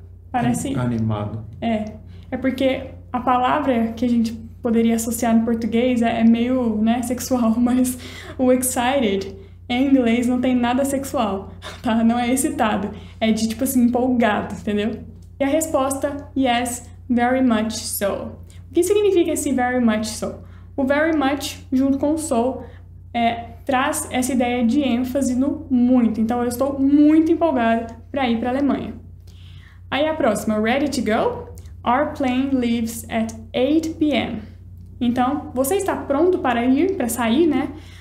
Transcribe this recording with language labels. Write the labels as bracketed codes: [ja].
[pt] parece... animado. É. É porque a palavra que a gente poderia associar no português é meio, né, sexual, mas o excited em inglês não tem nada sexual, tá? Não é excitado. É de, tipo assim, empolgado, entendeu? E a resposta, [en] yes, very much so. [pt] O que significa esse very much so? O very much, junto com o so, traz essa ideia de ênfase no muito. Então, eu estou muito empolgada para ir para a Alemanha. Aí a próxima, [en] ready to go? Our plane leaves at 8 p.m. [pt] Então, você está pronto para ir, para sair, né?